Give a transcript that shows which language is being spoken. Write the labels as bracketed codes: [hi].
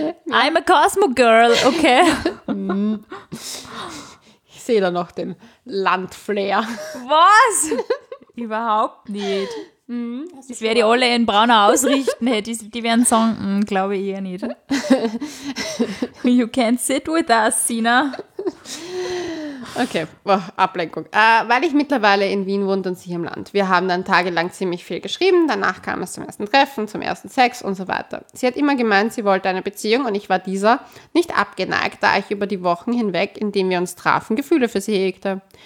[en] I'm a Cosmo Girl, okay. [de] Ich sehe da noch den Landflair. Was? Überhaupt nicht. Das werde ich alle in brauner ausrichten. Die werden sagen, glaube ich eher nicht. [en] You can't sit with us, Sina. [de] Okay, oh, Ablenkung. Weil ich mittlerweile in Wien wohne und sie im Land. Wir haben dann tagelang ziemlich viel geschrieben. Danach kam es zum ersten Treffen, zum ersten Sex und so weiter. Sie hat immer gemeint, sie wollte eine Beziehung und ich war dieser nicht abgeneigt, da ich über die Wochen hinweg, in denen wir uns trafen, Gefühle für sie hegte.